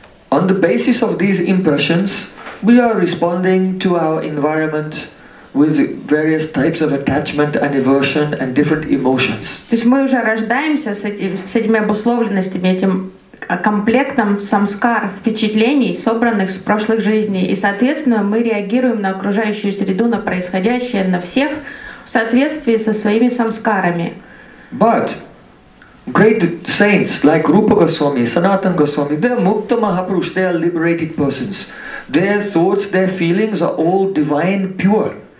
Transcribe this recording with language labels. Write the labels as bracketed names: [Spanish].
[English] On the basis of these impressions, we are responding to our environment with various types of attachment and aversion and different emotions. [Russian] То есть мы уже рождаемся с этими обусловленностями, этим комплектом самскар, впечатлений, собранных с прошлых жизней, и соответственно мы реагируем на окружающую среду, на происходящее, на всех в соответствии со своими самскарами. [English] But great saints like Rupa Goswami, Sanatan Goswami, they are Mukta Mahapurush, they are liberated persons. Their thoughts, their feelings are all divine, pure.